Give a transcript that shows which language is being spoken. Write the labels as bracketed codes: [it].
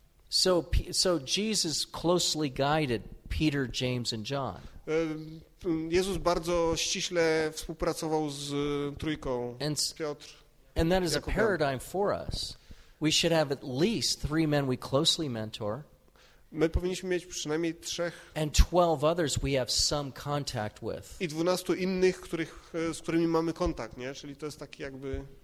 [en] So Jesus closely guided Peter, James and John. [pl] Jezus bardzo ściśle współpracował z trójką. Piotr. [en] And that is a paradigm for us. We should have at least 3 men we closely mentor. [pl] My powinniśmy mieć przynajmniej 3. [en] And 12 others we have some contact with. [pl] I 12 innych, z którymi mamy kontakt, nie? Czyli to jest taki jakby